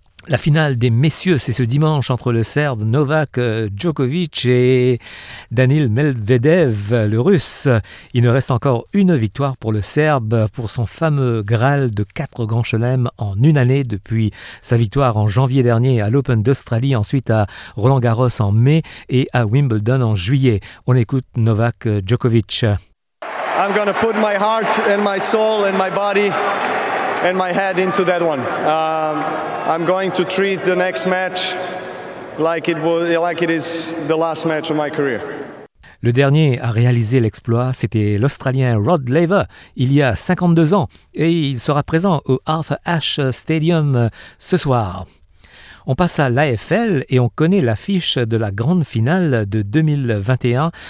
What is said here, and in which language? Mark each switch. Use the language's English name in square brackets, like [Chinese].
[French] La finale des messieurs, c'est ce dimanche entre le Serbe Novak Djokovic et Danil Medvedev, le Russe. Il ne reste encore une victoire pour le Serbe pour son fameux Graal de 4 grands chelems en une année depuis sa victoire en janvier dernier à l'Open d'Australie, ensuite à Roland-Garros en mai et à Wimbledon en juillet. On écoute Novak Djokovic. [English] I'm going to put my heart and my soul and my body and my head into that one. I'm going to treat the next match like it was, like it is the last match of my career. [French] Le dernier à réaliser l'exploit, c'était l'Australien Rod Laver, il y a 52 ans, et il sera présent au Arthur Ashe Stadium ce soir. On passe à l'AFL et on connaît l'affiche de la grande finale de 2021.